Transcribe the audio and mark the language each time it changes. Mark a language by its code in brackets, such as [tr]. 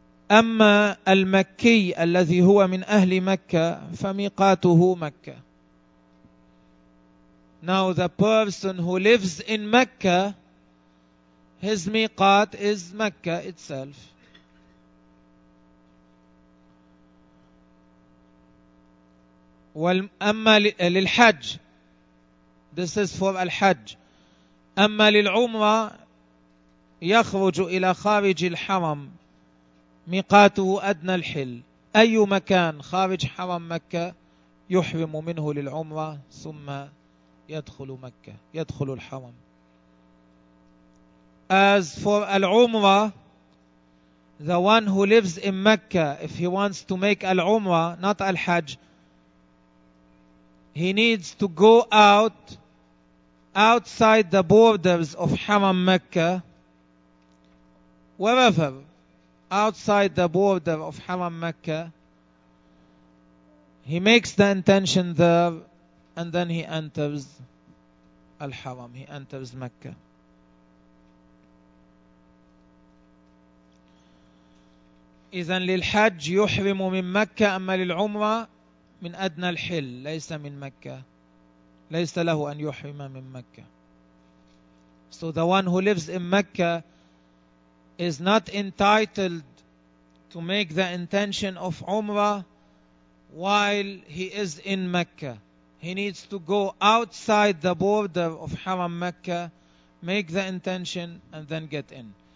[ar] أما المكي الذي هو من أهل مكة فميقاته مكة. [en] Now the person who lives in Mecca, his miqat is Mecca itself. [ar] أما للحج, [en] this is for [ar] الحج. أما للعمرة يخرج إلى خارج الحرم ميقاته أدنى الحل. أي مكان خارج حرم مكة يحرم منه للعمرة ثم يدخل مكة, يدخل الحرم. [en] As for Al-Umrah, the one who lives in Mecca, if he wants to make Al-Umrah, not Al-Hajj, he needs to go outside the borders of Haram Mecca, wherever outside the border of Haram Mecca, he makes the intention there and then he enters Al-Haram, he enters Mecca. [ar] إذن للحج يحرم من مكة, أما للعمرة من أدنى الحل, ليس من مكة, ليس له أن يحرم من مكة. [en] So the one who lives in Mecca is not entitled to make the intention of Umrah while he is in Mecca. He needs to go outside the border of Haram Mecca, make the intention and then get in.